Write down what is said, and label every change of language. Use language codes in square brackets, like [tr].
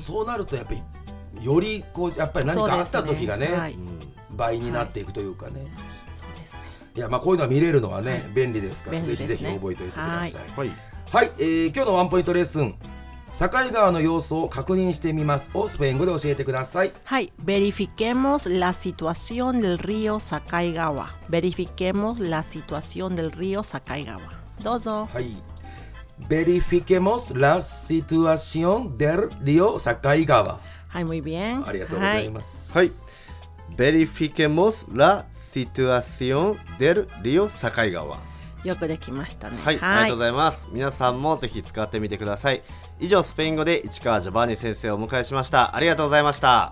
[ja] そうなるとやっぱりよりこう、やっぱり何かあった時がね、はい、倍になっていくというかね、はい、そうですね。いや、まあこういうのは見れるのはね、はい、便利ですから、ね、ぜひぜひ覚えておいてください。はい、はい、今日のワンポイントレッスン、境川の様子を確認してみますをスペイン語で教えてください。 [es] はい、verifiquemos la situación del río Sakaigawa. Verifiquemos la situación del río Sakaigawa. [ja] どうぞ。 [es] はい、verifiquemos la situación del río Sakaigawa. はい、muy bien。 [ja] ありがとうございます。 [es] はい、verifiquemos la situación del río Sakaigawa。 [ja] よくできましたね、はい、はい、ありがとうございます。皆さんもぜひ使ってみてください。以上、スペイン語で市川ジョバンニ先生をお迎えしました。ありがとうございました。